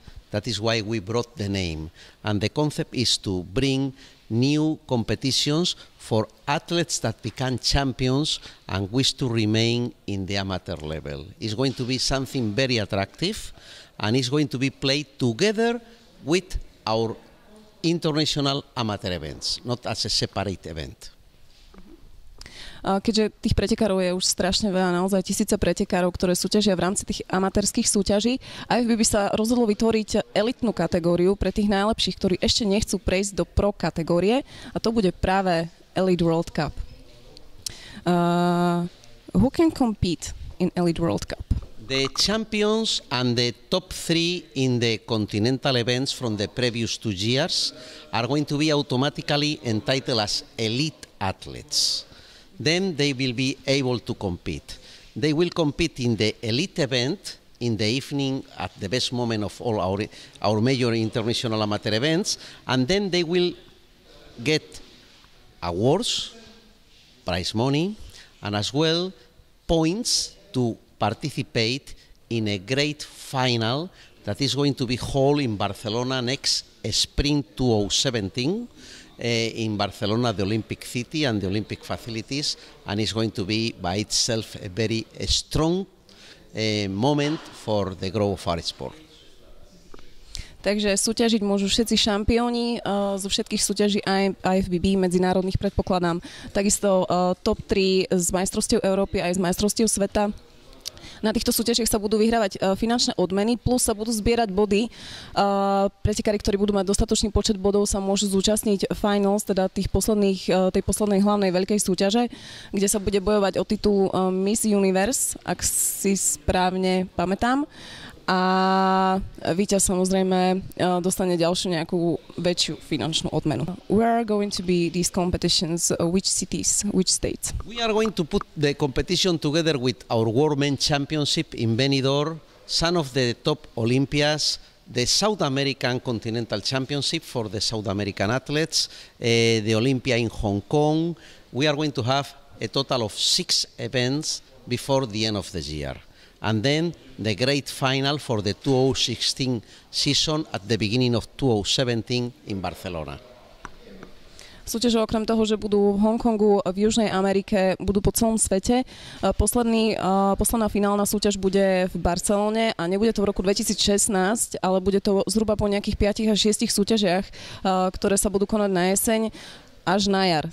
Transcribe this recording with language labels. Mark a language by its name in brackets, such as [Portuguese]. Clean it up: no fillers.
[English] That is why we brought the name. And the concept is to bring new competitions for athletes that become champions and wish to remain in the amateur level. It's going to be something very attractive and it's going to be played together with our international amateur events, not as a separate event. [Slovak] Keďže tých pretekárov je už strašne veľa, naozaj tisíce pretekárov, ktoré súťažia v rámci tých amatérskych súťaží, IFBB by sa rozhodlo vytvoriť elitnú kategóriu pre tých najlepších, ktorí ešte nechcú prejsť do pro kategórie, a to bude práve Elite World Cup. [English] Who can compete in Elite World Cup? The champions and the top three in the continental events from the previous 2 years are going to be automatically entitled as elite athletes. Then they will be able to compete. They will compete in the elite event in the evening at the best moment of all our major international amateur events, and then they will get awards, prize money, and as well points to participate in a great final that is going to be held in Barcelona next spring 2017. In Barcelona, the Olympic City and the Olympic facilities, and it's going to be by itself a very strong moment for the growth of our sport. [Slovak] Takže súťažiť môžu všetci šampióni zo všetkých súťaží IFBB medzinárodných, predpokladám. Takisto top 3 z majstrovstiev Európy aj z majstrovstiev sveta. Na týchto súťažiach sa budú vyhrávať finančné odmeny, plus sa budú zbierať body. Pretekári, ktorí budú mať dostatočný počet bodov, sa môžu zúčastniť finals, teda tej poslednej hlavnej veľkej súťaže, kde sa bude bojovať o titul Miss Universe, ak si správne pamätám. A víťaz samozrejme dostane ďalšiu nejakú väčšiu finančnú odmenu. [English] Where are going to be these competitions? Which cities? Which states? We are going to put the competition together with our World Men's Championship in Benidorm, some of the top Olympias, the South American Continental Championship for the South American athletes, the Olympia in Hong Kong. We are going to have a total of 6 events before the end of the year. And then the great final for the 2016 season at the beginning of 2017 in Barcelona. [Slovak] Súťaže okrem toho, že budú v Hongkongu, v Južnej Amerike, budú po celom svete. Posledná finálna súťaž bude v Barcelone a nebude to v roku 2016, ale bude to zhruba po nejakých 5 až 6 súťažiach, ktoré sa budú konať na jeseň až na jar.